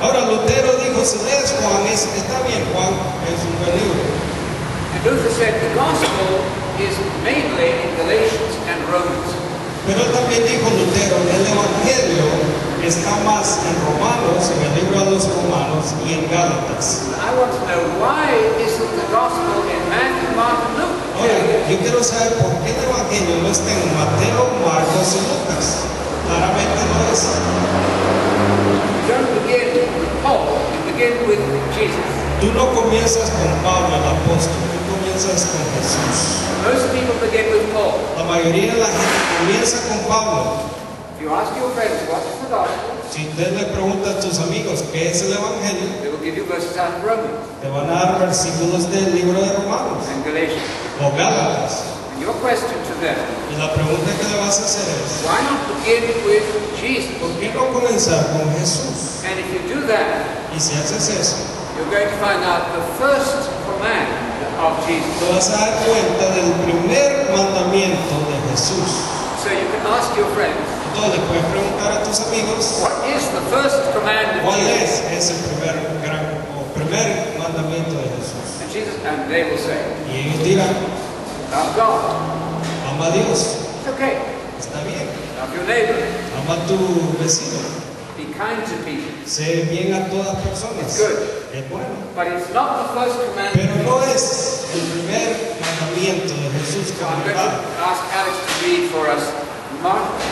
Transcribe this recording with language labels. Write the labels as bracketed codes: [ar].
[es] Ahora Lutero dijo, si lees Juan, es, está bien, Juan es un buen libro. [en] And Luther said, the gospel is mainly in Galatians and Romans. [es] Pero también dijo Lutero, el evangelio está más en Romanos, en el libro de los Romanos y en Gálatas. [en] I want to know, why isn't the gospel in Matthew, Mark, and Luke? [es] Ahora, yo quiero saber por qué el evangelio no está en Mateo, Marcos y Lucas. Claramente no es. [en] Don't begin with Paul, you begin with Jesus. [es] Tú no comienzas con Pablo, el apóstol, tú comienzas con Jesús. [en] Most people begin with Paul. [es] La mayoría de la gente comienza con Pablo. [en] If you ask your friends, what is the gospel? [es] Si usted le pregunta a tus amigos, ¿qué es el evangelio? [en] They will give you verses out of Romans. [es] Te van a dar versículos del libro de Romanos. [en] And Galatians. [es] O Gálatas. [en] And your question to them. [es] Y la pregunta que le vas a hacer es, [en] why not begin with Jesus? [es] ¿Por qué no comenzar con Jesús? [en] And if you do that, [es] y si haces eso, [en] you're going to find out the first command of Jesus. [es] Te vas a dar cuenta del primer mandamiento de Jesús. [en] So you can ask your friends, [es] le puedes preguntar a tus amigos, [en] what is the first command of [es] ¿cuál es ese primer, gran, o primer mandamiento de Jesús? [en] And Jesus, and they will say, [es] y ellos dirán, [en] love God. [es] Ama a Dios. [en] It's okay. [es] Está bien. [en] Love your neighbor. [es] Ama a tu vecino. [en] Be kind to people. [es] Sé bien a todas las personas. [en] It's good. [es] Es bueno. [en] But it's not the first command. [es] Pero no es el primer mandamiento de Jesús. [en] So I'm going to ask Alex to read for us.